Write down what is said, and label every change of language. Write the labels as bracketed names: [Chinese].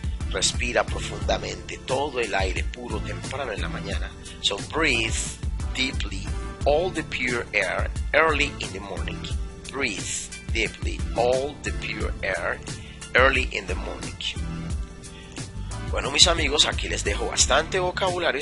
[Spanish] Respira profundamente todo el aire puro temprano en la mañana. [English] So breathe deeply all the pure air early in the morning. Breathe deeply all the pure air early in the morning. [Spanish] Bueno, mis amigos, aquí les dejo bastante vocabulario.